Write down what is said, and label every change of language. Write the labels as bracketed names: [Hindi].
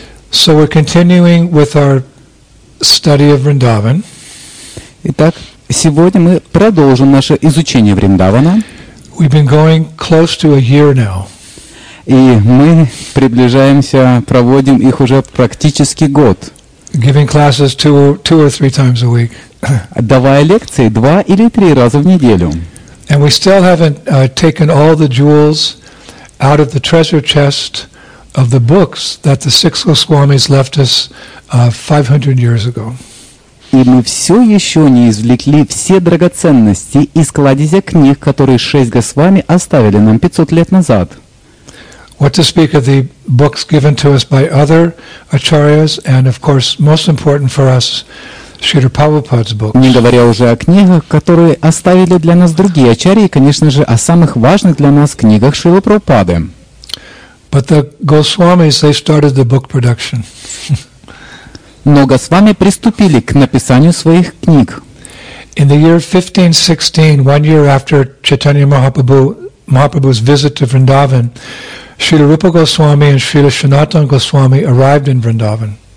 [English] So we're continuing with our study of Vrindavan. [Russian] Итак, сегодня мы продолжим наше изучение Вриндавана. [English] We've been going close to a year now. [Russian] И мы приближаемся, проводим их уже практически год. [English] Giving classes two or three times a week. [Russian] Давая лекции два или три раза в неделю. [English] And we still haven't taken all the jewels out of the treasure chest of the books that the six Goswamis left us 500 years ago. [Russian] И мы все еще не извлекли все драгоценности из кладезя книг, которые шесть Госвами оставили нам 500 лет назад. [English] What to speak of the books given to us by other acharyas, and of course, most important for us, Śrīla Prabhupāda's books. [Russian] Не говоря уже о книгах, которые оставили для нас другие ачарьи, конечно же, о самых важных для нас книгах Шрилы Прабхупады. [English] But the Goswamis, they started the book production. [Russian] Но Госвами приступили к написанию своих книг. [English] In the year 1516, one year after Chaitanya Mahaprabhu's visit to Vrindavan, Śrīla Rūpa Goswami and Śrīla Śrīnātana Goswami arrived in Vrindavan.